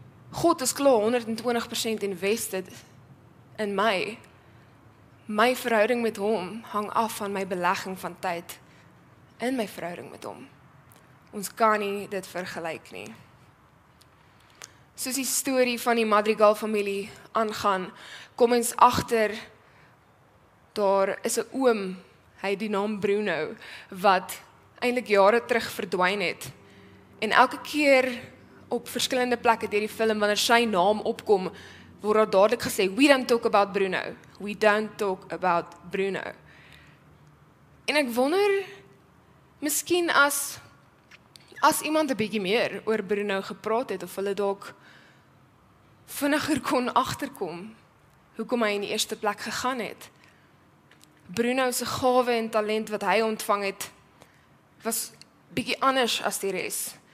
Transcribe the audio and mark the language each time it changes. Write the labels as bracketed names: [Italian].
[Afrikaans] God is klaar 120% invested in my. My verhouding met hom hang af van my belegging van tyd in my verhouding met hom. Ons kan nie dit vergelyk nie. Soos die storie van die Madrigal familie aangaan, kom ons agter, daar is 'n oom, hy die naam Bruno, wat eintlik jare terug verdwyn het. En elke keer op verskillende plekke deur die film, wanneer sy naam opkom, word daar dadelijk gesê, [English] we don't talk about Bruno. We don't talk about Bruno. [Afrikaans] En ek wonder, miskien as iemand 'n bietjie meer oor Bruno gepraat het, of hulle dalk vinniger kon agterkom, hoekom hy in die eerste plek gegaan het. Bruno se gawe en talent wat hy ontvang het, was bietjie anders as die res.